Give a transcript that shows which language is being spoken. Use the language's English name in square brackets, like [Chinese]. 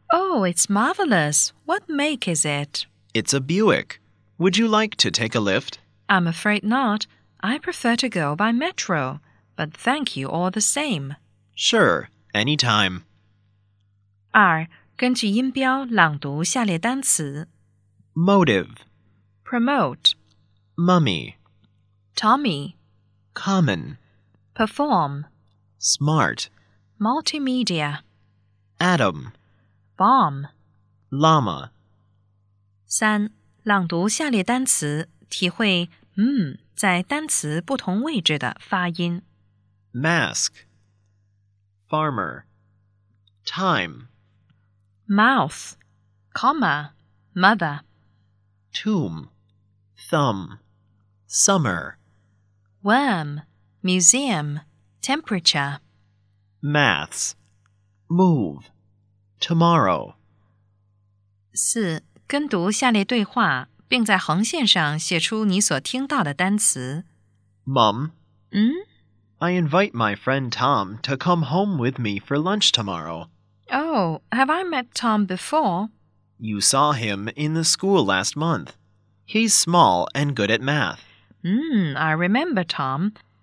[English] Oh, it's marvelous. What make is it? It's a Buick. Would you like to take a lift? I'm afraid not. I prefer to go by metro, but thank you all the same. Sure, anytime. [Chinese] 二，根据音标朗读下列单词。 [English] Motive. Promote. Mummy. Tommy. Common. Perform. Smart. Multimedia. Atom. Bomb. Llama. [Chinese] 三，朗读下列单词，体会在单词不同位置的发音。 [English] Mask. Farmer. Time. Mouth. Comma. Mother. Tomb. Thumb. Summer. Worm. Museum. Temperature. Maths. Move. Tomorrow. [Chinese] 四，跟读下列对话，并在横线上写出你所听到的单词。 [English] Mom. Hmm? I invite my friend Tom to come home with me for lunch tomorrow. Oh, have I met Tom before? You saw him in the school last month. He's small and good at math. I remember Tom.